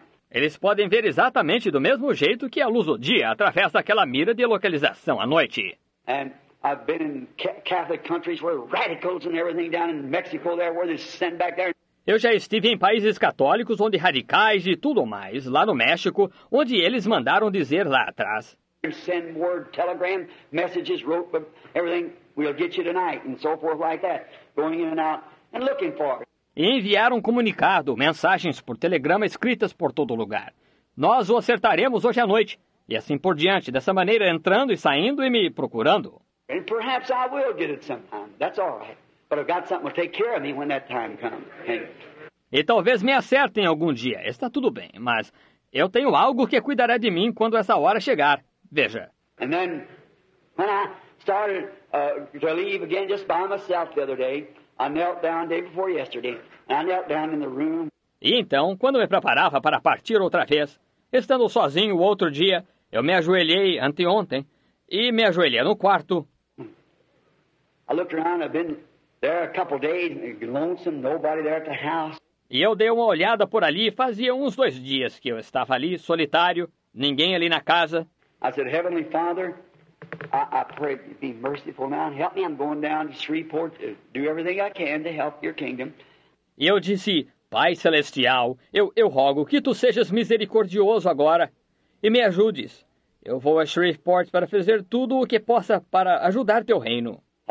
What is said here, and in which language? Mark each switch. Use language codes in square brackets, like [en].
[pt] Eles podem ver exatamente do mesmo jeito que a luz do dia através daquela mira de localização à noite. [en] I've been in Catholic countries where radicals and everything down in Mexico there where they send back there. [pt] Eu já estive em países católicos onde radicais e tudo mais, lá no México, onde eles mandaram dizer lá atrás. [en] Send word, telegram, messages, wrote, everything, we'll get you tonight, and so forth like that, going in and out and looking for it. [pt] E enviaram comunicado, mensagens por telegrama escritas por todo lugar. Nós o acertaremos hoje à noite, e assim por diante, dessa maneira entrando e saindo e me procurando. [en] And perhaps I will get it sometime. That's all right. But I've got something to take care of me when that time comes. [pt] E talvez me acertem algum dia. Está tudo bem, mas eu tenho algo que cuidará de mim quando essa hora chegar. Veja. [en] And then when I started to leave again just by myself the other day, I knelt down day before yesterday. And I knelt down in the room. [pt] E então, quando me preparava para partir outra vez, estando sozinho o outro dia, eu me ajoelhei anteontem. E me ajoelhei no quarto. [en] I looked around, I've been there a couple days, lonesome, nobody there at the house. [pt] E eu dei uma olhada por ali, fazia uns dois dias que eu estava ali, solitário, ninguém ali na casa. [en] I said, Heavenly Father, I pray you be merciful now and help me. I'm going down to Shreveport to do everything I can to help your kingdom. [pt] E eu disse, Pai Celestial, eu rogo que tu sejas misericordioso agora e me ajudes. Eu vou a Shreveport para fazer tudo o que possa para ajudar teu reino.